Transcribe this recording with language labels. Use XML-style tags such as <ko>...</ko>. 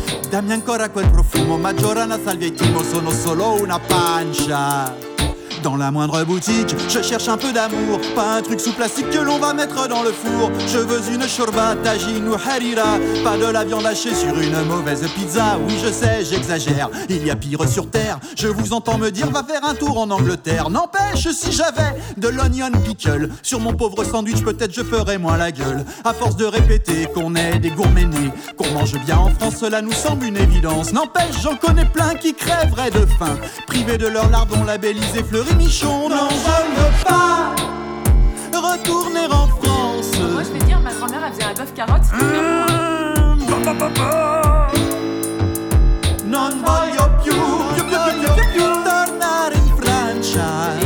<it>Dammi ancora quel profumo, Maggiorana, salvia e timo, sono solo una pancia.</it> <fr>Dans la moindre boutique, je cherche un peu d'amour. Pas un truc sous plastique que l'on va mettre dans le four. Je veux une shorba, tagine ou harira. Pas de la viande hachée sur une mauvaise pizza. Oui, je sais, j'exagère, il y a pire sur terre. Je vous entends me dire, va faire un tour en Angleterre. N'empêche, si j'avais de l'onion pickle sur mon pauvre sandwich, peut-être je ferais moins la gueule. À force de répéter qu'on est des gourmets nés, qu'on mange bien en France, cela nous semble une évidence. N'empêche, j'en connais plein qui crèveraient de faim, privés de leurs lardons labellisés fleurs. Michon, non, je ne veux pas retourner en France. Moi, je vais dire, ma grand-mère, elle faisait un bœuf carotte.</fr> <it>Non voglio più, più tornare in Francia.</it>